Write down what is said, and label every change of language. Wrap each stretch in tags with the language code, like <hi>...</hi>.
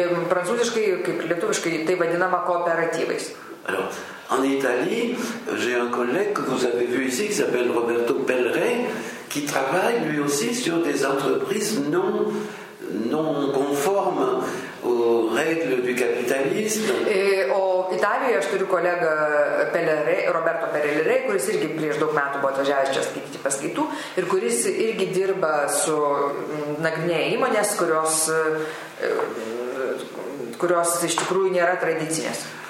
<lt>Prancūziškai, kaip lietuviškai, tai vadinama kooperatyvais.</lt> <fr>Alors, en Italie, j'ai un collègue que vous avez vu ici qui s'appelle Roberto Pelleret, qui travaille lui aussi sur des entreprises non conformes aux règles du capitalisme.</fr> <lt>O Italijoje aš turiu kolegą Roberto Pelleret, kuris irgi prieš daug metų buvo atvažiavęs čia skaityti paskaitų ir kuris irgi dirba su nagrinėja įmonės, kurios iš tikrųjų nėra tradicinės.</lt>